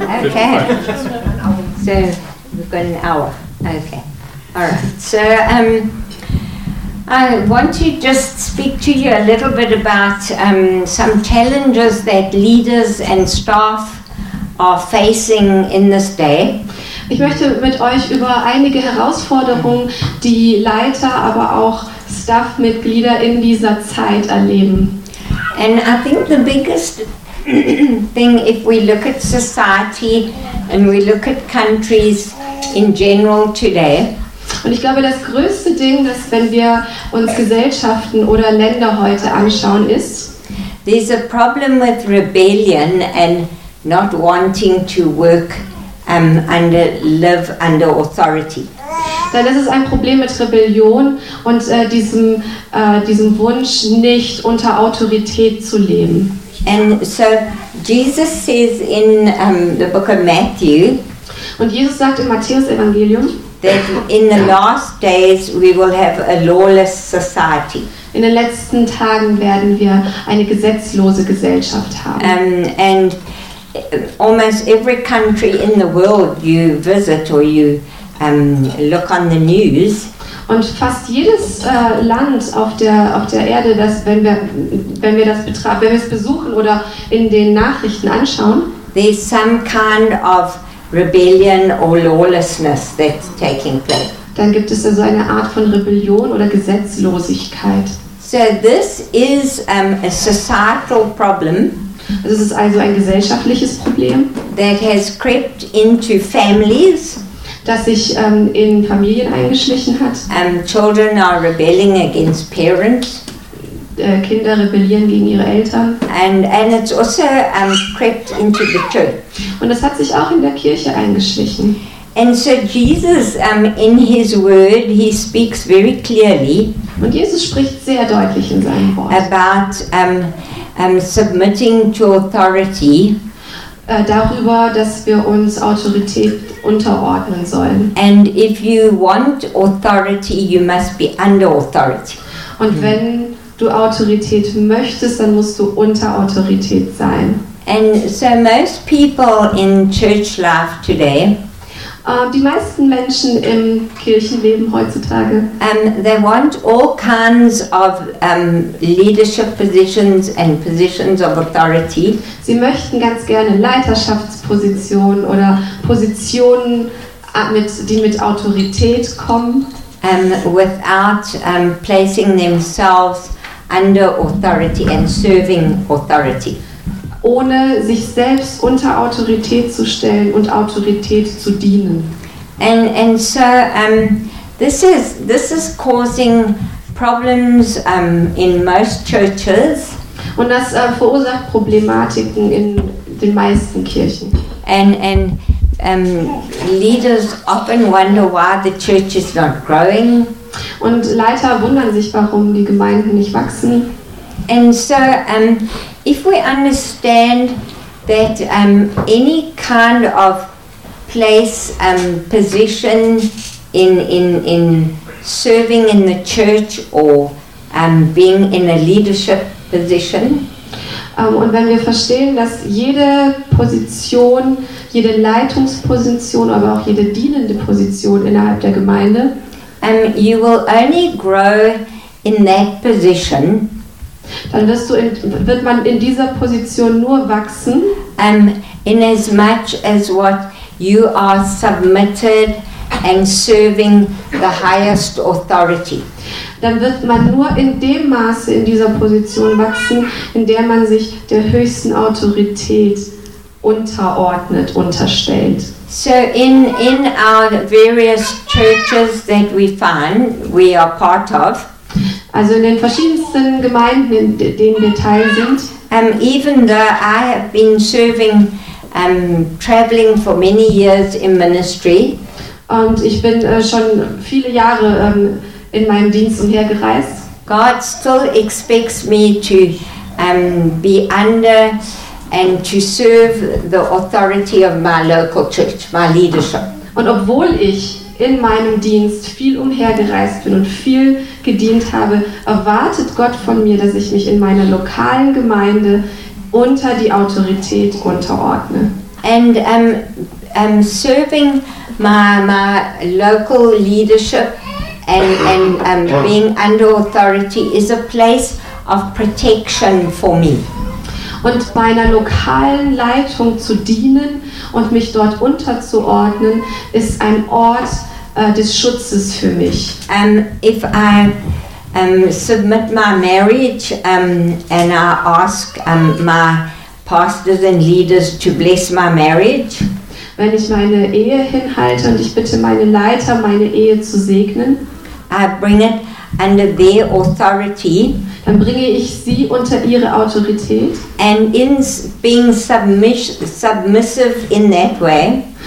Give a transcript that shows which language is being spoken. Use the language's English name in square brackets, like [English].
[English] Okay. So, we've got an hour. Okay. All right. So, I want to just speak to you a little bit about some challenges that leaders and staff are facing in this day. [German] Ich möchte mit euch über einige Herausforderungen, die Leiter, aber auch Staff-Mitglieder in dieser Zeit erleben. [English] And I think the biggest thing, if we look at society and we look at countries in general today, [German] und ich glaube, das größte Ding, dass wenn wir uns Gesellschaften oder Länder heute anschauen, ist, [English] there's a problem with rebellion and not wanting to work and live under authority. [German] Denn es ist ein Problem mit Rebellion und diesem Wunsch, nicht unter Autorität zu leben. [English] And so Jesus says in the book of Matthew. [German] Und Jesus sagt im Matthäus-Evangelium, [English] that in the last days we will have a lawless society. [German] In den letzten Tagen werden wir eine gesetzlose Gesellschaft haben. [English] And almost every country in the world you visit or you look on the news. [German] Und fast jedes Land auf der Erde, das, wenn wir es besuchen oder in den Nachrichten anschauen, [English] there's some kind of rebellion or lawlessness that's taking place. [German] Dann gibt es also eine Art von Rebellion oder Gesetzlosigkeit. [English] So this is a societal problem. [German] Das ist also ein gesellschaftliches Problem. [English] That has crept into families. [German] Das sich in Familien eingeschlichen hat. [English] Children are rebelling against parents. [German] Kinder rebellieren gegen ihre Eltern. [English] And it's also crept into the church. [German] Und es hat sich auch in der Kirche eingeschlichen. [English] And so Jesus, in his word, he speaks very clearly. [German] Und Jesus spricht sehr deutlich in seinem Wort. [English] About submitting to authority. [German] Darüber, dass wir uns Autorität unterordnen sollen. [English] And if you want authority, you must be under authority. [German] Und wenn du Autorität möchtest, dann musst du unter Autorität sein. [English] And so most people in church life today. [German] Die meisten Menschen im Kirchenleben heutzutage. [English] They want all kinds of leadership positions and positions of authority. [German] Sie möchten ganz gerne Leiterschaftspositionen oder Positionen, die mit Autorität kommen. [English] Without placing themselves under authority and serving authority. [German] Ohne sich selbst unter Autorität zu stellen und Autorität zu dienen. [English] And so this is causing problems in most churches. [German] Und das verursacht Problematiken in den meisten Kirchen. [English] And leaders often wonder why the church is not growing. [German] Und Leiter wundern sich, warum die Gemeinden nicht wachsen. [English] And so if we understand that any kind of place, position in serving in the church or being in a leadership position. [German] Und wenn wir verstehen, dass jede Position, jede Leitungsposition, aber auch jede dienende Position innerhalb der Gemeinde. [English] You will only grow in that position. [German] Dann wird man in dieser Position nur wachsen, [English] in as much as what you are submitted and serving the highest authority. [German] Dann wird man nur in dem Maße in dieser Position wachsen, in der man sich der höchsten Autorität unterordnet, unterstellt. [English] So in our various churches that we find, we are part of. [German] Also in den verschiedensten Gemeinden, in denen wir teil sind. [English] Even though I have been serving, traveling for many years in ministry. [German] Und ich bin schon viele Jahre in meinem Dienst umhergereist. [English] God still expects me to be under and to serve the authority of my local church, my leadership. [German] Und obwohl ich in meinem Dienst viel umhergereist bin und viel gedient habe, erwartet Gott von mir, dass ich mich in meiner lokalen Gemeinde unter die Autorität unterordne. [English] And serving my local leadership and being under authority is a place of protection for me. [German] Und meiner lokalen Leitung zu dienen und mich dort unterzuordnen ist ein Ort des Schutzes für mich. [English] If I submit my marriage and I ask my pastors and leaders to bless my marriage. [German] Wenn ich meine Ehe hinhalte und ich bitte meine Leiter, meine Ehe zu segnen. [English] I bring it under their authority. [German] Dann bringe ich sie unter ihre Autorität. [English] And in being submissive in that way.